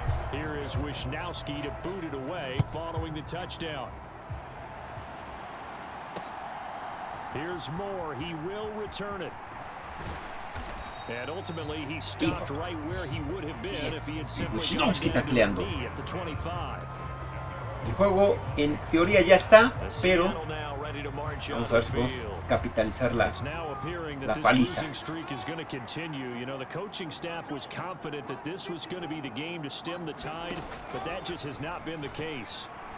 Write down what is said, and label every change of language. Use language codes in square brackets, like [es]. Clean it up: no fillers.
[en] Here is Wisnowski to boot it away following the touchdown. Here's more. He will return it. And ultimately, he stopped right where he would have been if he had simply gone to the knee at the 25. [es] El juego, en teoría, ya está, pero vamos a ver si podemos capitalizar la paliza. [en] Losing streak is going to continue. You know, the coaching staff was confident that this was going to be the game to stem the tide, but that just has not been the case.